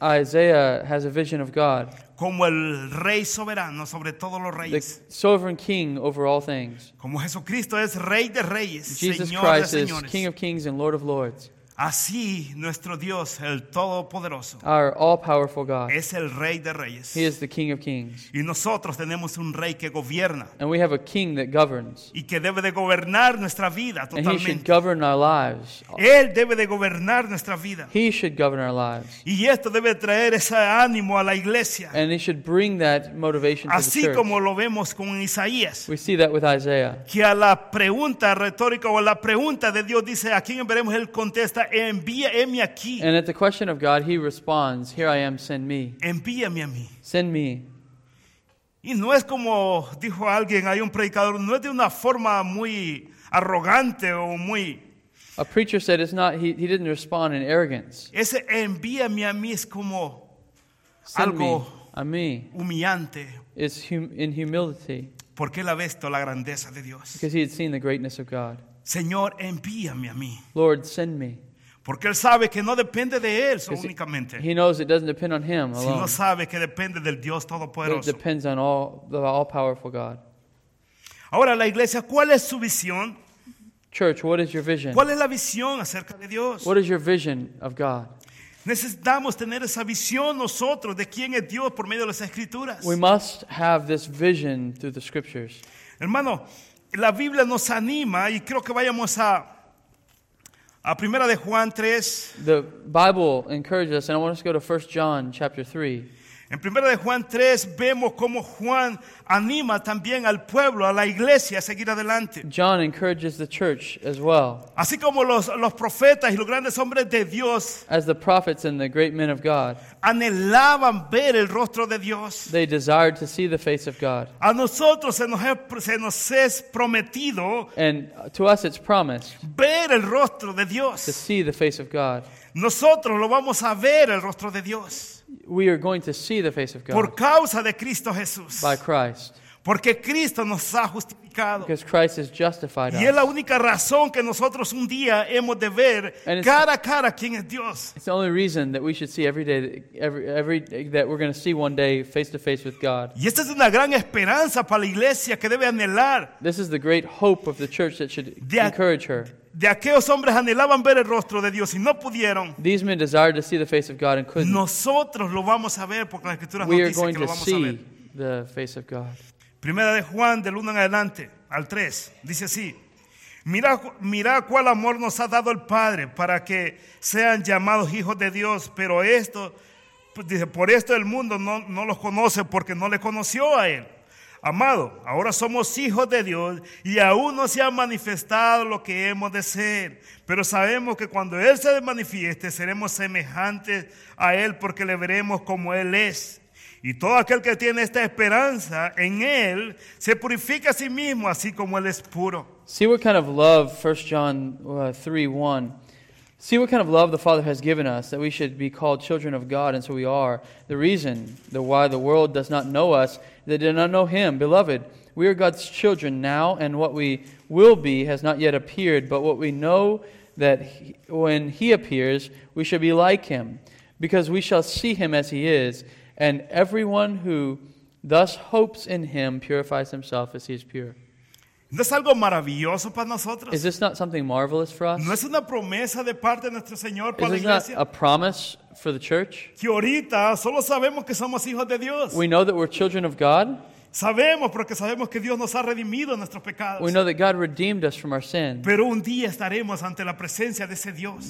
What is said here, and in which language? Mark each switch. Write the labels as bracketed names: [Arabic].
[English] Isaiah has a vision of God. [Spanish] Como el rey soberano sobre todos los reyes. [English] The sovereign king over all things. [Spanish] Como Jesucristo es rey de reyes, [English] Jesus [Spanish] Señor [English] Christ [Spanish] de señores. [English] Is king of kings and lord of lords. [Spanish] Así nuestro Dios, el Todopoderoso, [English] our all-powerful God, [Spanish] es el Rey de Reyes. [English] He is the King of Kings. [Spanish] Y nosotros tenemos un Rey que gobierna. [English] And we have a King that governs. [Spanish] Y que debe de gobernar nuestra vida totalmente. [English] And he should govern our lives. [Spanish] Él debe de gobernar nuestra vida. [English] He should govern our lives. [Spanish] Y esto debe traer ese ánimo a la iglesia. [English] And he should bring that motivation to the church. [Spanish] Así como lo vemos con Isaías. [English] We see that with Isaiah. [Spanish] Que a la pregunta retórica o a la pregunta de Dios dice, ¿a quién veremos? Él contesta. [English] And at the question of God, he responds, here I am, send me. [Spanish] Envíame a mí. [English] Send me. [Spanish] Y no es como dijo alguien, hay un predicador, no es de una forma muy arrogante o muy... [English] A preacher said it's not, he didn't respond in arrogance. [Spanish] Ese envíame a mí es como algo humillante. [English] It's in humility. [Spanish] Porque él ha visto la grandeza de Dios. [English] Because he had seen the greatness of God. [Spanish] Señor, envíame a mí. [English] Lord, send me. [Spanish] Porque él sabe que no depende de él únicamente. [English] He knows it doesn't depend on him alone. [Spanish] Sino sabe que depende del Dios Todopoderoso. [English] It depends on the all-powerful God. [Spanish] Ahora la iglesia, ¿cuál es su visión? [English] Church, what is your vision? [Spanish] ¿Cuál es la visión acerca de Dios? [English] What is your vision of God? [Spanish] Necesitamos tener esa visión nosotros de quién es Dios por medio de las Escrituras. [English] We must have this vision through the Scriptures. [Spanish] Hermano, la Biblia nos anima y creo que vayamos a primera de Juan 3. [English] The Bible encourages us, and I want us to go to 1 John chapter 3. [Spanish] En primera de Juan 3 vemos cómo Juan anima también al pueblo, a la iglesia a seguir adelante. [English] John encourages the church as well. [Spanish] Así como los profetas y los grandes hombres de Dios. [English] As the prophets and the great men of God. [Spanish] Anhelaban ver el rostro de Dios. [English] They desired to see the face of God. [Spanish] A nosotros se nos es prometido. [English] And to us it's promised. [Spanish] Ver el rostro de Dios. [English] To see the face of God. [Spanish] Nosotros lo vamos a ver el rostro de Dios. [English] We are going to see the face of God. [Spanish] Por causa de Cristo Jesús. [English] By Christ. [Spanish] Porque Cristo nos ha justificado. [English] Because Christ has justified [Spanish] y [English] us. [Spanish] Y es la única razón que nosotros un día hemos de ver cara a cara quién es Dios. [English] It's the only reason that we should see every day, that we're going to see one day face to face with God. [Spanish] Y esta es una gran esperanza para la iglesia que debe anhelar. [English] This is the great hope of the church that should encourage her. [Spanish] de aquellos hombres anhelaban ver el rostro de Dios y no pudieron. [English] These men desired to see the face of God and couldn't. [Spanish] Nosotros lo vamos a ver porque las escrituras nos dicen que lo vamos a ver. [English] We are going to see the face of God. [Spanish] Primera de Juan, del 1 en adelante, al 3, dice así. Mira cuál amor nos ha dado el Padre para que sean llamados hijos de Dios. Pero esto, dice, por esto el mundo no los conoce porque no le conoció a él. Amado, ahora somos hijos de Dios y aún no se ha manifestado lo que hemos de ser. Pero sabemos que cuando Él se manifieste, seremos semejantes a Él porque le veremos como Él es. Y todo aquel que tiene esta esperanza en Él se purifica a sí mismo, así como Él es puro. [English] See what kind of love 1 John 3:1. See what kind of love the Father has given us, that we should be called children of God, and so we are. The reason why the world does not know us, they did not know Him. Beloved, we are God's children now, and what we will be has not yet appeared, but what we know that when He appears, we shall be like Him, because we shall see Him as He is, and everyone who thus hopes in Him purifies himself as He is pure. [Spanish] ¿No es algo maravilloso para nosotros? [English] Is this not something marvelous for us? [Spanish] ¿No es una promesa de parte de nuestro Señor para la iglesia? [English] Is this not a promise for the church? [Spanish] Que ahorita solo sabemos que somos hijos de Dios. [English] We know that we're children of God. [Spanish] Sabemos porque sabemos que Dios nos ha redimido nuestros pecados. [English] We know that God redeemed us from our sins. [Spanish] Pero un día estaremos ante la presencia de ese Dios.